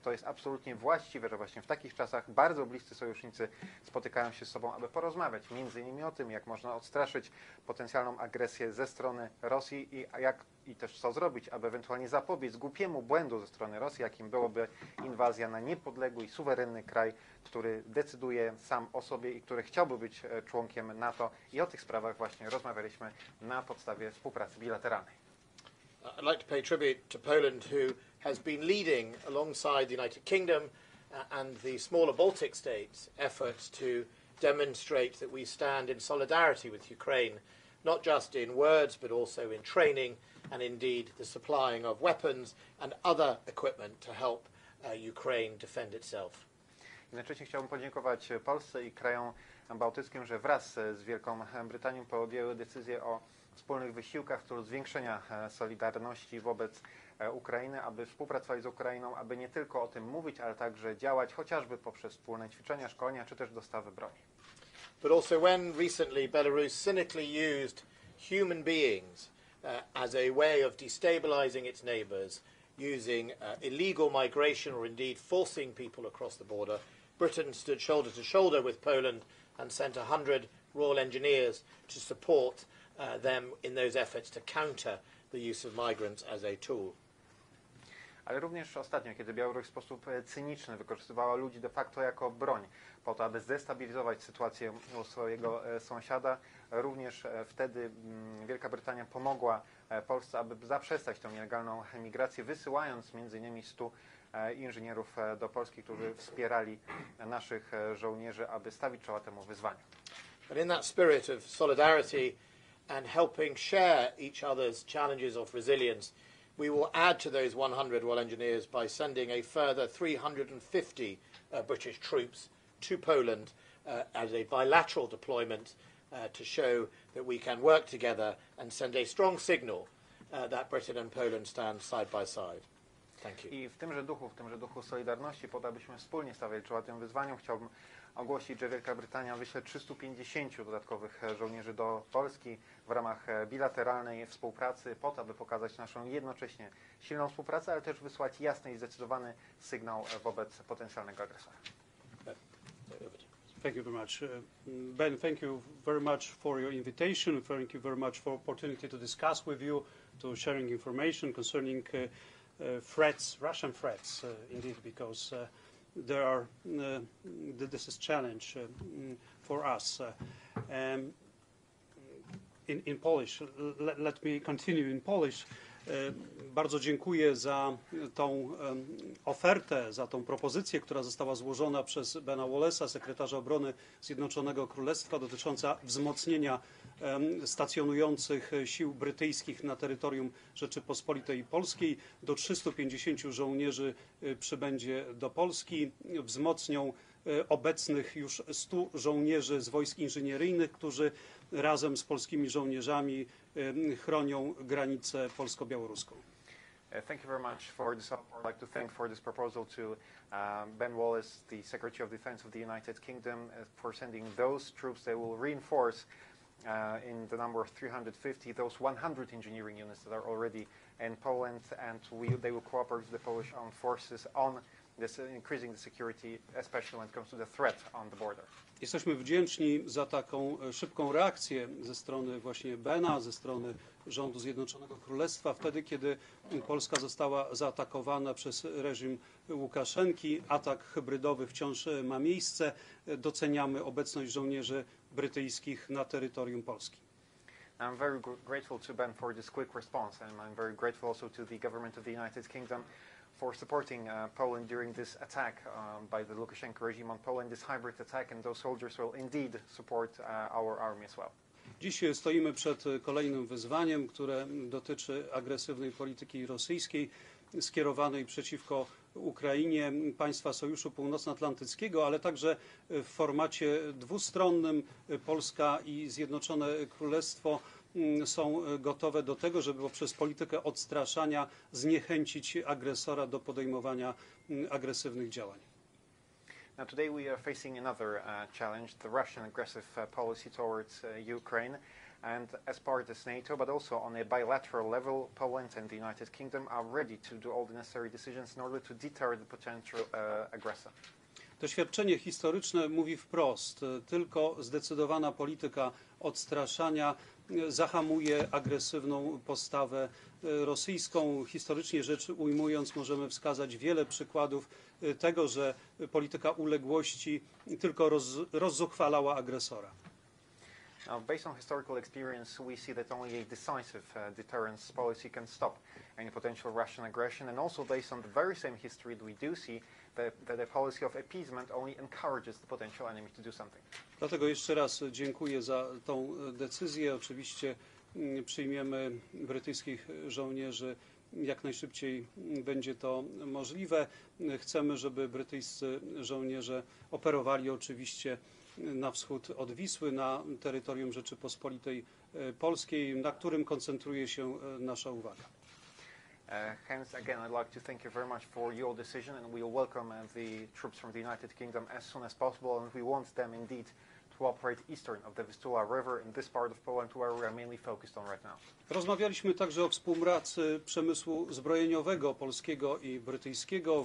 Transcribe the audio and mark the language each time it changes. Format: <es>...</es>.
<pl>To jest absolutnie właściwe, że właśnie w takich czasach bardzo bliscy sojusznicy spotykają się z sobą, aby porozmawiać między innymi o tym, jak można odstraszyć potencjalną agresję ze strony Rosji i jak i też co zrobić, aby ewentualnie zapobiec głupiemu błędu ze strony Rosji, jakim byłoby inwazja na niepodległy i suwerenny kraj, który decyduje sam o sobie i który chciałby być członkiem NATO. I o tych sprawach właśnie rozmawialiśmy na podstawie współpracy bilateralnej.</pl> <en>I'd like to pay tribute to Poland, who has been leading alongside the United Kingdom and the smaller Baltic states efforts to demonstrate that we stand in solidarity with Ukraine, not just in words, but also in training and indeed the supplying of weapons and other equipment to help Ukraine defend itself.</en> <pl>Jednocześnie chciałbym podziękować Polsce i krajom bałtyckim, że wraz z Wielką Brytanią podjęły decyzję o wspólnych wysiłkach w celu zwiększenia solidarności wobec Ukrainy, aby współpracować z Ukrainą, aby nie tylko o tym mówić, ale także działać, chociażby poprzez wspólne ćwiczenia, szkolenia czy też dostawy broni.</pl> <en>But also when recently Belarus cynically used human beings as a way of destabilizing its neighbors, using illegal migration or indeed forcing people across the border, Britain stood shoulder to shoulder with Poland and sent 100 Royal Engineers to support them in those efforts to counter the use of migrants as a tool.</en> <pl>Ale również ostatnio, kiedy Białoruś w sposób cyniczny wykorzystywała ludzi de facto jako broń po to, aby zdestabilizować sytuację u swojego sąsiada, również wtedy Wielka Brytania pomogła Polsce, aby zaprzestać tą nielegalną emigrację, wysyłając między innymi 100 inżynierów do Polski, którzy wspierali naszych żołnierzy, aby stawić czoła temu wyzwaniu.</pl> <en>And in that spirit of solidarity and helping share each other's challenges of resilience, we will add to those 100 Royal Engineers by sending a further 350 British troops to Poland as a bilateral deployment to show that we can work together and send a strong signal that Britain and Poland stand side by side. Thank you.</en> <pl>I w tymże duchu solidarności, po to, abyśmy wspólnie stawiali czoła tym wyzwaniom, chciałbym ogłosić, że Wielka Brytania wyśle 350 dodatkowych żołnierzy do Polski w ramach bilateralnej współpracy po to, aby pokazać naszą jednocześnie silną współpracę, ale też wysłać jasny i zdecydowany sygnał wobec potencjalnego agresora.</pl> <en>Thank you very much. Ben, thank you very much for your invitation. Thank you very much for opportunity to discuss with you, to sharing information concerning threats, Russian threats, indeed, because there are, this is a challenge for us. In Polish, let me continue in Polish.</en> <pl>Bardzo dziękuję za tą ofertę, za tą propozycję, która została złożona przez Bena Wallace'a, sekretarza obrony Zjednoczonego Królestwa, dotycząca wzmocnienia stacjonujących sił brytyjskich na terytorium Rzeczypospolitej Polskiej. Do 350 żołnierzy przybędzie do Polski. Wzmocnią obecnych już 100 żołnierzy z wojsk inżynieryjnych, którzy razem z polskimi żołnierzami chronią granicę polsko-białoruską.</pl> <en>Thank you very much for this. I'd like to thank for this proposal to Ben Wallace, the Secretary of Defense of the United Kingdom, for sending those troops. They will reinforce in the number of 350 those 100 engineering units that are already in Poland, and they will cooperate with the Polish armed forces on this, increasing the security, especially when it comes to the threat on the border.</en> <pl>Jesteśmy wdzięczni za taką szybką reakcję ze strony właśnie Bena, ze strony rządu Zjednoczonego Królestwa. Wtedy, kiedy Polska została zaatakowana przez reżim Łukaszenki, atak hybrydowy wciąż ma miejsce, doceniamy obecność żołnierzy brytyjskich na terytorium Polski.</pl> <en>I'm very grateful to Ben for this quick response, and I'm very grateful also to the government of the United Kingdom for supporting Poland during this attack by the Lukashenko regime on Poland, this hybrid attack, and those soldiers will indeed support our army as well.</en> <pl>Dziś stoimy przed kolejnym wyzwaniem, które dotyczy agresywnej polityki rosyjskiej skierowanej przeciwko Ukrainie, państwa Sojuszu Północnoatlantyckiego, ale także w formacie dwustronnym Polska i Zjednoczone Królestwo są gotowe do tego, żeby poprzez politykę odstraszania zniechęcić agresora do podejmowania agresywnych działań.</pl> <en>Now today we are facing another challenge, the Russian aggressive policy towards Ukraine, and as part of NATO, but also on a bilateral level, Poland and the United Kingdom are ready to do all the necessary decisions in order to deter the potential aggressor.</en> <pl>Doświadczenie historyczne mówi wprost, tylko zdecydowana polityka odstraszania zahamuje agresywną postawę rosyjską. Historycznie rzecz ujmując, możemy wskazać wiele przykładów tego, że polityka uległości tylko rozzuchwalała agresora.</pl> <en>Now, based on historical experience, we see that only a decisive deterrence policy can stop any potential Russian aggression. And also based on the very same history, we do see that the policy of appeasement only encourages the potential enemy to do something.</en> <pl>Dlatego jeszcze raz dziękuję za tą decyzję. Oczywiście przyjmiemy brytyjskich żołnierzy jak najszybciej będzie to możliwe. Chcemy, żeby brytyjscy żołnierze operowali oczywiście na wschód od Wisły, na terytorium Rzeczypospolitej Polskiej, na którym koncentruje się nasza uwaga.</pl> <en>Hence, again, I'd like to thank you very much for your decision, and we'll welcome the troops from the United Kingdom as soon as possible, and we want them indeed to operate eastern of the Vistula River in this part of Poland where we are mainly focused on right now.</en> <pl>Rozmawialiśmy także o współpracy przemysłu zbrojeniowego polskiego i brytyjskiego.</pl>